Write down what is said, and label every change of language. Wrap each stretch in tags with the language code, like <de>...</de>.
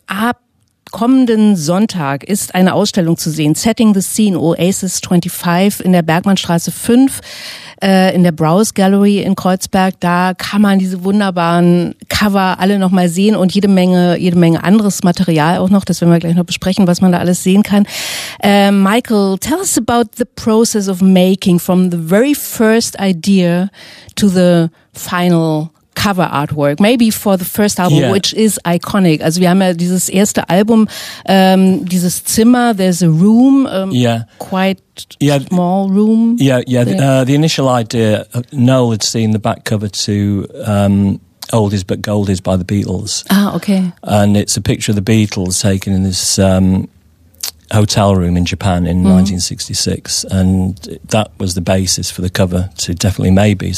<de>Ab kommenden Sonntag ist eine Ausstellung zu sehen, Setting the Scene, Oasis 25 in der Bergmannstraße 5. In der Browse Gallery in Kreuzberg, da kann man diese wunderbaren Cover alle nochmal sehen und jede Menge anderes Material auch noch, das werden wir gleich noch besprechen, was man da alles sehen kann.</de> <en>Michael, tell us about the process of making from the very first idea to the final cover artwork, maybe for the first album, yeah. which is iconic.</en> <de>Also wir haben ja dieses erste Album, dieses Zimmer,</de> <en>there's a room, small room. The initial idea, Noel had seen the back cover to Oldies But Goldies by the Beatles. Ah, okay. And it's a picture of the Beatles taken in this hotel room in Japan in 1966, and that was the basis for the cover to Definitely Maybe.</en>